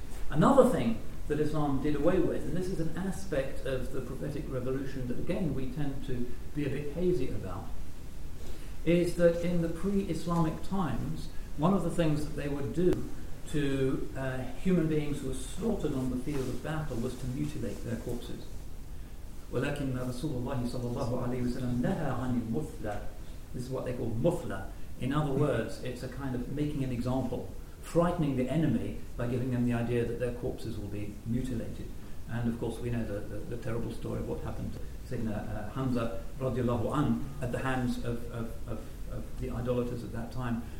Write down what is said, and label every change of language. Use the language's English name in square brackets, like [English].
[English] Another thing that Islam did away with, and this is an aspect of the prophetic revolution that again we tend to be a bit hazy about, is that in the pre-Islamic times, one of the things that they would do to human beings who were slaughtered on the field of battle was to mutilate their corpses. [Arabic] ولكن رسول الله صلى الله عليه وسلم نهى عن المثلى. [English] This is what they call مثلى. In other words, it's a kind of making an example, frightening the enemy by giving them the idea that their corpses will be mutilated. And of course we know the terrible story of what happened to Sayyidina Hamza radiallahu anhu at the hands of the idolaters at that time.